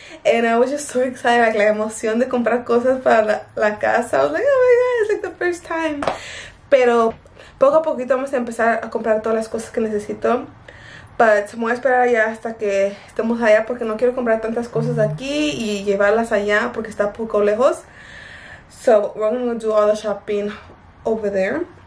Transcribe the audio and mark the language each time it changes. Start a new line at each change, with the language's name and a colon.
English: And I was just so excited, like
Spanish: la emoción de comprar cosas para la casa.
English: I was like, oh my God, it's like the first time.
Spanish: Pero poco a poquito vamos a empezar a comprar todas las cosas que necesito. Pero me voy a esperar ya hasta que estemos allá porque no quiero comprar tantas cosas aquí y llevarlas allá porque está poco lejos.
English: So, we're gonna do all the shopping over there.